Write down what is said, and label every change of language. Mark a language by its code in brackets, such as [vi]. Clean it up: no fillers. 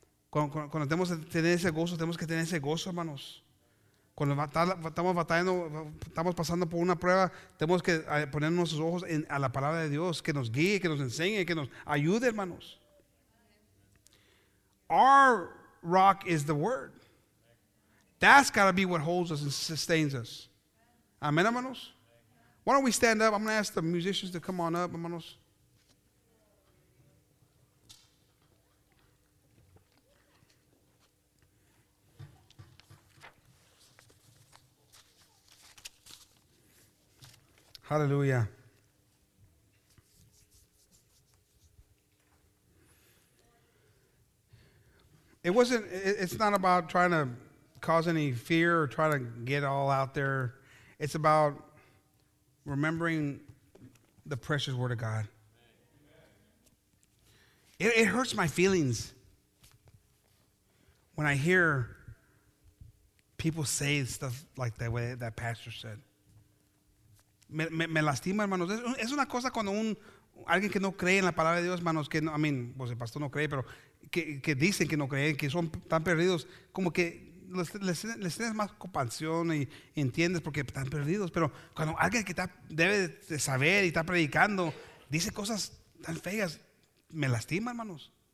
[es] Cuando tenemos que tener ese gozo, tenemos que tener ese gozo, hermanos. Cuando estamos batallando, estamos pasando por una prueba, tenemos que poner nuestros ojos a la palabra de Dios, que nos guíe, que nos enseñe, que nos ayude, hermanos. [en] Our rock is the word. That's got to be what holds us and sustains us. Amen, [es] hermanos. [en] Why don't we stand up? I'm going to ask the musicians to come on up, [es] hermanos. [en] Hallelujah. It's not about trying to cause any fear or trying to get all out there. It's about remembering the precious word of God. It hurts my feelings when I hear people say stuff like that, way that pastor said. [es] Me lastima, hermanos. Es una cosa cuando alguien que no cree en la palabra de Dios, hermanos, que no, [en] I mean, [es] pues el pastor no cree, pero que dicen que no creen, que son tan perdidos, como que les tienes más compasión y entiendes porque están perdidos. Pero cuando alguien que debe de saber y está predicando dice cosas tan feas, me lastima, hermanos.